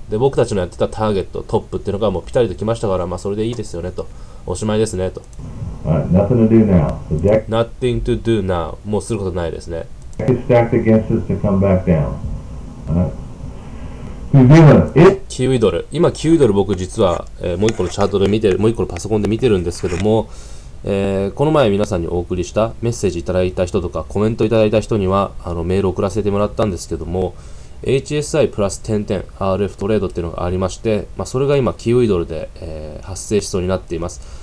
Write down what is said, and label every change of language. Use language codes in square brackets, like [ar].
[ja] で、僕たちのやってたターゲット、トップっていうのがもうピタリと来ましたから、まあそれでいいですよねと。おしまいですねと。 [en] Nothing to do now. The deck... Nothing to do now. [ja] もうすることないですね。 [en] The deck is stacked against us to come back down. Alright. [ja] キウイドル。今、キウイドル僕実は、もう一個のチャートで見てる、もう一個のパソコンで見てるんですけども、この前皆さんにお送りしたメッセージいただいた人とかコメントいただいた人にはメール送らせてもらったんですけども、 HSI プラス点々 RF トレードっていうのがありまして、まあ、それが今キウイドルで、発生しそうになっています。